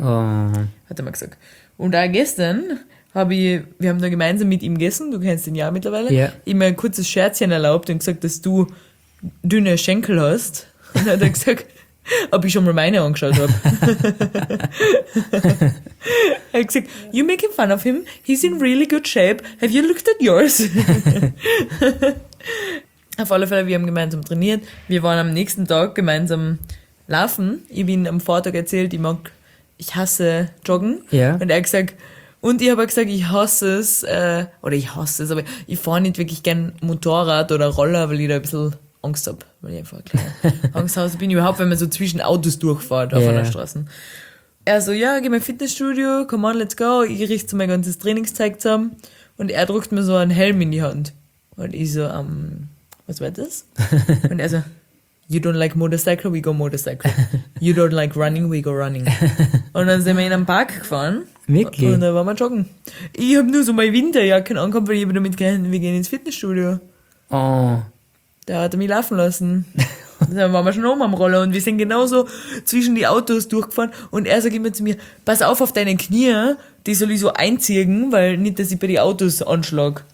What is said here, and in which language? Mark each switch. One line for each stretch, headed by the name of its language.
German: Hat er mal gesagt. Und auch gestern wir haben da gemeinsam mit ihm gegessen, du kennst ihn ja mittlerweile, ihm ein kurzes Scherzchen erlaubt und gesagt, dass du dünne Schenkel hast. Und dann hat er gesagt, ob ich schon mal meine angeschaut habe. Er hat gesagt,
English: you making fun of him, he's in really good shape, have you looked at yours?
German: Auf alle Fälle, wir haben gemeinsam trainiert, wir waren am nächsten Tag gemeinsam laufen. Ich habe ihm am Vortag erzählt, ich hasse Joggen.
English: Yeah.
German: Und er hat gesagt, und ich habe gesagt, aber ich fahre nicht wirklich gern Motorrad oder Roller, weil ich da ein bisschen Angst habe. Weil ich einfach Angst habe, bin ich überhaupt, wenn man so zwischen Autos durchfährt auf einer Straße. Er so, ja, geh mal ins Fitnessstudio,
English: come on, let's go.
German: Ich richte so mein ganzes Trainingszeug zusammen. Und er drückt mir so einen Helm in die Hand. Und ich so, was war das? Und er so,
English: you don't like motorcycle, we go motorcycle. You don't like running, we go running.
German: Und dann sind wir in einem Park gefahren. Wirklich? Und dann waren wir joggen. Ich habe nur so meine Winterjacke angehabt, weil ich damit gehen, wir gehen ins Fitnessstudio. Oh. Da hat er mich laufen lassen. Dann waren wir schon oben am Roller und wir sind genauso zwischen die Autos durchgefahren. Und er sagt immer zu mir, pass auf deine Knie, die soll ich so einziehen, weil nicht, dass ich bei den Autos anschlag.